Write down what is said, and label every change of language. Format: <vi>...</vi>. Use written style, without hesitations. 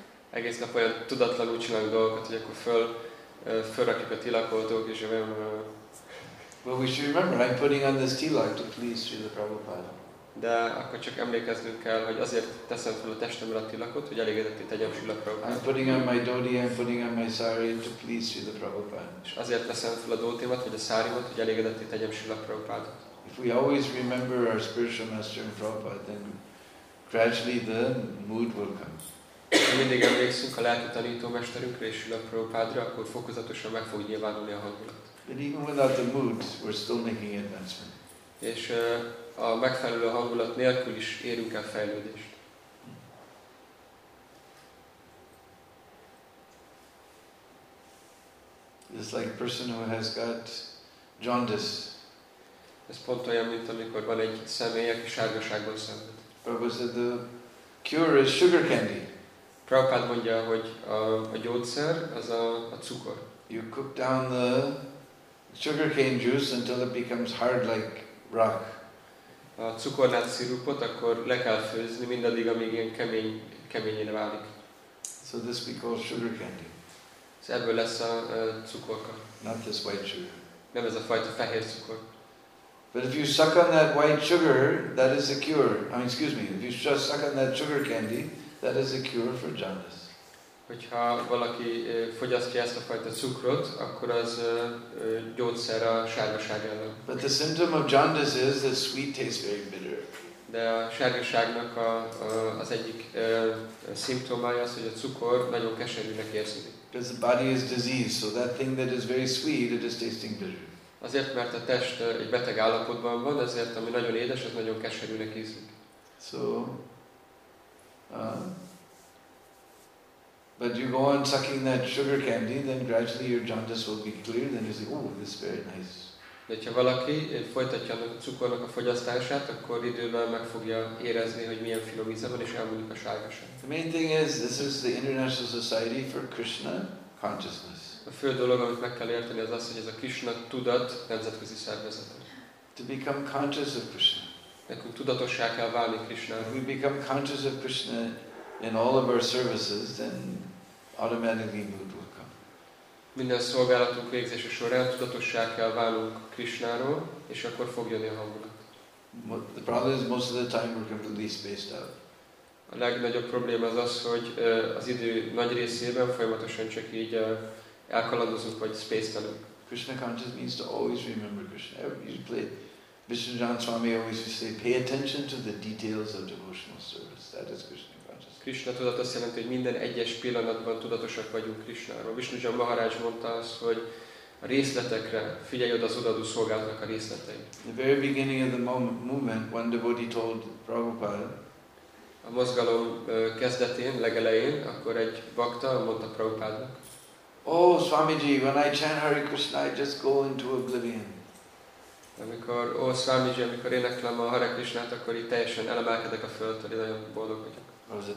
<hu>egész nap olyan tudatlanul csinálunk dolgokat, hogy akkor fölrakjuk a tilakoltók, és olyan...</hu> <en>Well, we should remember, I'm putting on this tilak to please Srila Prabhupada.</en> <hu>De akkor csak emlékeznünk kell, hogy azért teszem fel a testemre a tilakot, hogy elégedetté tegyem Srila Prabhupada.</hu> <en>I'm putting on my dhoti, I'm putting on my sari to please Srila Prabhupada.</en> <hu>És azért teszem fel a dhotimat, vagy a sárimat, hogy elégedetté tegyem Srila Prabhupada.</hu> <en>If we always remember our spiritual master in Prabhupada, then gradually the mood will come.</en> <hu>Ha mindig emlékszünk a lelki tanítómesterünkre és Srila Prabhupádra, akkor fokozatosan meg fog nyilvánulni a hangulat.</hu> <en>But even without the mood, we're still making advancement.</en> <hu>És a megfelelő hangulat nélkül is érünk el fejlődést.</hu> <en>It's like a person who has got jaundice.</en> <hu>Ez pont olyan, mint amikor van egy személy, aki sárgaságban szenved.</hu> <en>Prabhupada said the cure is sugar candy.</en> <hu>Prabhupád mondja, hogy a gyógyszer az a cukor.</hu> <en>You cook down the sugarcane juice until it becomes hard like rock.</en> <hu>A cukornát szirupot akkor le kell főzni mindaddig, amíg ilyen keményére válik.</hu> <en>So this we call sugar candy.</en> <hu>So ebből lesz a cukorka.</hu> <en>Not this white sugar.</en> <hu>Nem ez a fajta fehér cukor.</hu> <en>But if you suck on that white sugar, that is a cure. If you just suck on that sugar candy, that is a cure for jaundice.</en> <hu>Hogyha valaki fogyasztja ezt a fajta cukrot, akkor az gyógyszer a sárgaság ellen.</hu> <en>But the symptom of jaundice is that sweet tastes very bitter.</en> <hu>De a sárgaságnak az egyik szimptomája az, hogy a cukor nagyon keserűnek érződik.</hu> <en>Because the body is diseased, so that thing that is very sweet, it is tasting bitter.</en> <hu>Azért, mert a test egy beteg állapotban van, ezért ami nagyon édes, az nagyon keserűnek ízlik.</hu> <en>So, but you go on sucking that sugar candy, then gradually your jaundice will be clear, then you say, oh, this is very nice.</en> <hu>De ha valaki folytatja a cukornak a fogyasztását, akkor idővel meg fogja érezni, hogy milyen finom íze van, és elmúlik a sárgaság.</hu> <en>The main thing is, this is the International Society for Krishna Consciousness.</en> <hu>A fő dolog, amit meg kell érteni, az az, hogy ez a Krishna tudat nemzetközi szervezet.</hu> <en>To become conscious of Krishna.</en> <hu>Nekünk tudatossá kell válni Krishna.</hu> <en>If we become conscious of Krishna in all of our services, then automatically mood will come.</en> <hu>Minden szolgálatunk végzése során tudatossá kell válnunk Krishnáról, és akkor fog jönni a hangulat.</hu> <en>The problem is most of the time we're completely spaced out.</en> <hu>A legnagyobb probléma az az, hogy az idő nagy részében folyamatosan csak így elkalandozunk, vagy space-telünk.</hu> <en>Krishna conscious means to always remember Krishna. You play Vishnujana Swami always used to say, pay attention to the details of devotional service. That is Krishna consciousness.</en> <hu>Krishna tudat azt jelenti, hogy minden egyes pillanatban tudatosak vagyunk Krishnáról. Vishnujana Maharaj mondta azt, hogy a részletekre figyelj oda az odaadó szolgálatnak a részletei.</hu> <en>The very beginning of the movement, one devotee told Prabhupada,</en> <hu>a mozgalom kezdetén, legelején, akkor egy bhakta mondta Prabhupádnak,</hu> <en>oh, Swamiji, when I chant Hare Krishna, I just go into oblivion.</en> <hu>Amikor, oh, Swamiji, amikor éneklem a Hare Krishnát, akkor így teljesen elemelkedek a földtől, én nagyon boldog vagyok.</hu>